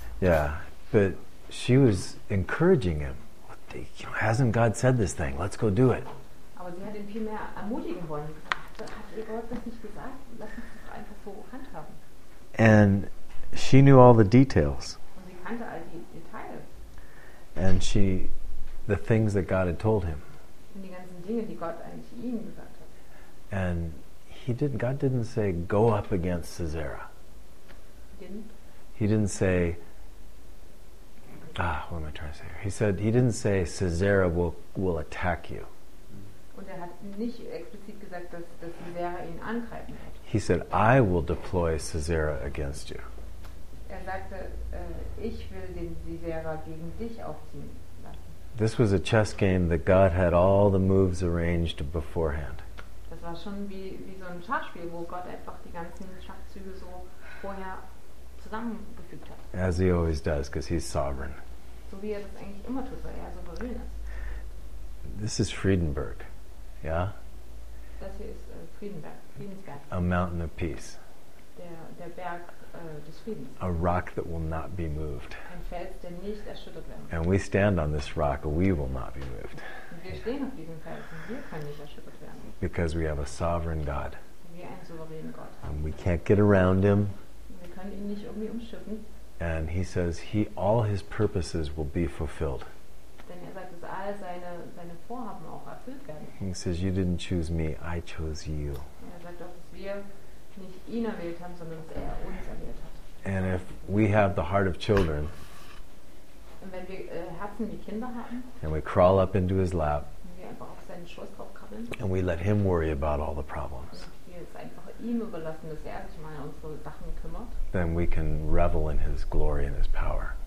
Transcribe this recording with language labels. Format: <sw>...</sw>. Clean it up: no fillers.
<en>Yeah, but she was encouraging him. "Hasn't God said this thing? Let's go do it."</en> <de>Aber sie hat ihn viel mehr ermutigen wollen. Hat Gott das nicht gesagt? Lass uns das einfach so handhaben.</de> <en>And she knew all the details.</en> <de>Und sie kannte all die Details.</de> <en>And she, the things that God had told him.</en> <de>Und die ganzen Dinge, die Gott eigentlich ihnen gesagt hat.</de> <en>And God didn't say, "Go up against Sisera." He didn't say. What am I trying to say? He didn't say Sisera will attack you.</en> <de>Und er hat nicht explizit gesagt, dass Sisera ihn angreifen wird.</de> <en>He said, "I will deploy Sisera against you."</en> <de>Er sagte, ich will den Sisera gegen dich aufziehen lassen.</de> <en>This was a chess game that God had all the moves arranged beforehand.</en> <de>Das war schon wie so ein Schachspiel, wo Gott einfach die ganzen Schachzüge so vorher zusammengefügt hat.</de> <en>As he always does, because he's sovereign.</en> <de>So wie er das eigentlich immer tut, weil er souverän ist.</de> <en>This is Friedenberg, Yeah?</en> <de>Das hier ist Friedenberg, Friedensberg.</de> <en>A mountain of peace.</en> <de>Der Berg des Friedens.</de> <en>A rock that will not be moved.</en> <de>Ein Fels, der nicht erschüttert werden kann.</de> <en>And we stand on this rock, we will not be moved.</en> <de>Und wir stehen auf diesem Fels und wir können nicht erschüttert werden.</de> <en>Because we have a sovereign God.</en> <de>Wir einen souveränen Gott.</de> <en>And we can't get around him.</en> <de>Wir können ihn nicht irgendwie umschiffen.</de> <en>And he says he all his purposes will be fulfilled.</en> <de>Denn er sagt, dass all seine Vorhaben auch erfüllt werden.</de> <en>He says, you didn't choose me, I chose you.</en> <de>Er sagt auch, dass wir nicht ihn erwählt haben, sondern dass er uns erwählt hat.</de> <en>And if we have the heart of children,</en> <de>und wenn wir Herzen wie Kinder haben,</de> <en>and we crawl up into his lap,</en> <de>und wir einfach auf seinen Schoß drauf krabbeln,</de> <en>and we let him worry about all the problems,</en> <de>ihm überlassen, dass er sich mal um unsere Sachen kümmert.</de> <en>Then we can revel in his glory and his power.</en>